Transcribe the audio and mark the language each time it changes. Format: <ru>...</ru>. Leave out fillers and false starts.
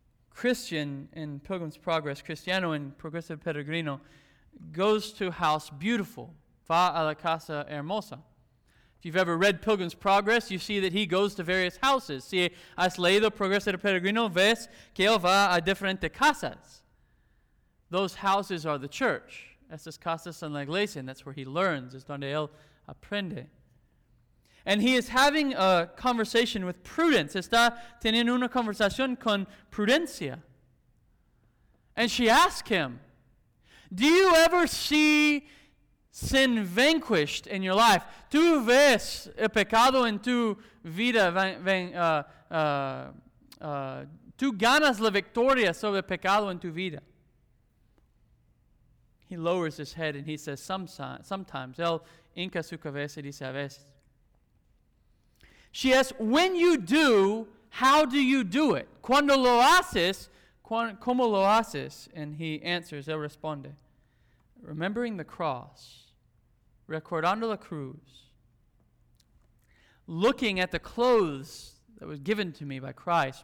<en>Christian in Pilgrim's Progress, Cristiano in Progressive Peregrino, goes to house beautiful.</en> <es>Va a la casa hermosa.</es> <en>If you've ever read Pilgrim's Progress, you see that he goes to various houses.</en> <es>Si has leído Progressive Peregrino, ves que él va a diferentes casas.</es> <en>Those houses are the church.</en> <es>Esas casas son la iglesia,</es> <en>and that's where he learns.</en> <es>Es donde él aprende.</es> <en>And he is having a conversation with Prudence.</en> <es>Está teniendo una conversación con Prudencia.</es> <en>And she asks him, do you ever see sin vanquished in your life?</en> <es>¿Tú ves el pecado en tu vida? ¿Tú ganas la victoria sobre el pecado en tu vida?</es> <en>He lowers his head and he says, sometimes.</en> <es>Él hinca su cabeza y dice, a veces.</es> <en>She asks, when you do, how do you do it?</en> <es>Cuando lo haces, ¿cómo lo haces?</es> <en>And he answers,</en> <es>él responde,</es> <en>remembering the cross,</en> <es>recordando la cruz,</es> <en>looking at the clothes that was given to me by Christ.</en>